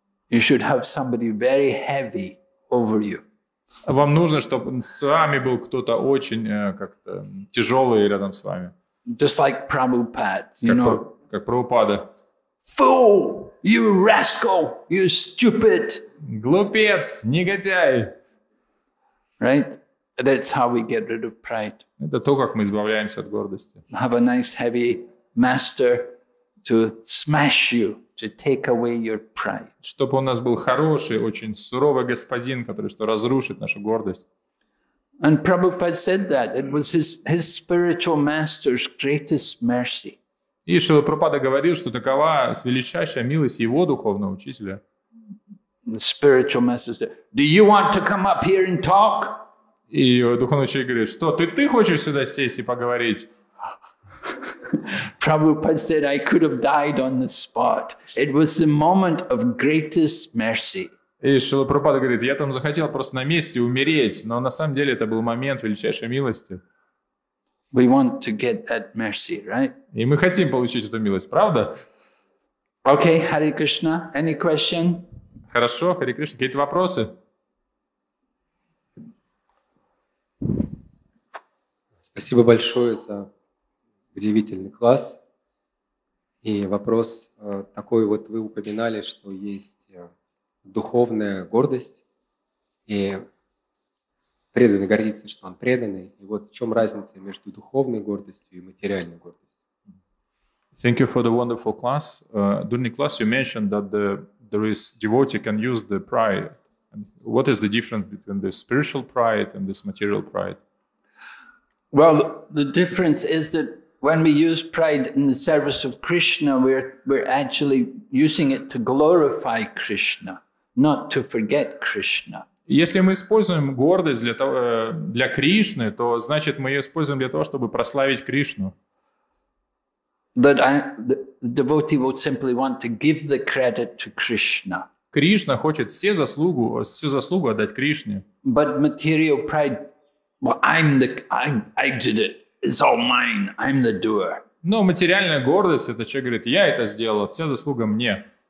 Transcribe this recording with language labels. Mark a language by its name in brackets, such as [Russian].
[English] You should have somebody very heavy over you. [Russian] Вам нужно, чтобы с вами был кто-то очень тяжелый рядом с вами. [English] Just like Prabhupada, you know, [Russian] как Прабхупада. [English] Fool, you rascal, you stupid. [Russian] Глупец, негодяй. [English] Right? That's how we get rid of pride. [Russian] Это то, как мы избавляемся от гордости. [English] Have a nice heavy master to smash you, to take away your pride. [Russian] Чтобы у нас был хороший, очень суровый господин, который что разрушит нашу гордость. [English] And Prabhupada said that it was his spiritual master's greatest mercy. [Russian] И Шрила Прабхупада говорил, что такова величайшая милость его духовного учителя. [English] The spiritual master said, "Do you want to come up here and talk?" [Russian] И духовный учитель говорит, что ты хочешь сюда сесть и поговорить? [English] Prabhupada said, "I could have died on the spot. It was the moment of greatest mercy." [Russian] И Шрила Прабхупада говорит, я там захотел просто на месте умереть, но на самом деле это был момент величайшей милости. [English] We want to get that mercy, right? [Russian] И мы хотим получить эту милость, правда? [English] Okay, Hare Krishna. Any question? [Russian] Хорошо, Hare Krishna. Какие-то вопросы? Спасибо большое за удивительный класс. И вопрос такой вот. Вы упоминали, что есть духовная гордость и преданный гордится, что он преданный. И вот в чем разница между духовной гордостью и материальной гордостью? [English] Thank you for the wonderful class. During the class you mentioned that there is devotee can use the pride. And what is the difference between the spiritual pride and this material pride? Well, the difference is that when we use pride in the service of Krishna, we're actually using it to glorify Krishna, not to forget Krishna. [Russian] Если мы используем гордость для того, для Кришны, то значит мы ее используем для того, чтобы прославить Кришну. [English] The devotee would simply want to give the credit to Krishna. [Russian] Кришна хочет всю заслугу отдать Кришне. [English] But material pride, well, I did it. It's all mine. I'm the doer. [Russian] Но материальная гордость — это человек говорит, я это сделал, вся заслуга мне.